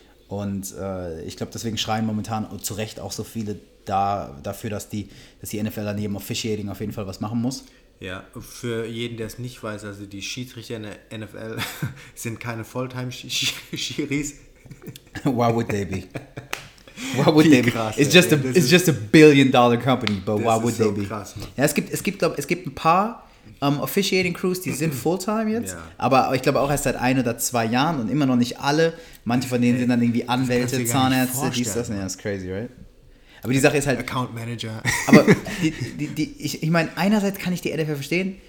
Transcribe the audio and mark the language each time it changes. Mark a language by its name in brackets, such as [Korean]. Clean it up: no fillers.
[German] Und ich glaube, deswegen schreien momentan zu Recht auch so viele dafür, dass die NFL an jedem Officiating auf jeden Fall was machen muss. Ja, für jeden, der es nicht weiß, also die Schiedsrichter in der NFL sind keine Fulltime-Schiris. [English] Why would they be? [German] Krass, [English] it's just a billion-dollar company, but why would they be? [German] Krass, ja, es gibt ein paar officiating crews, die sind Fulltime jetzt, ja, aber ich glaube auch erst seit ein oder zwei Jahren und immer noch nicht alle. Manche von denen sind dann irgendwie Anwälte, Zahnärzte, das ist [English] crazy, right? [German] Aber die Sache ist halt... [English] Account Manager. [German] Aber ich meine, einerseits kann ich die NFL verstehen.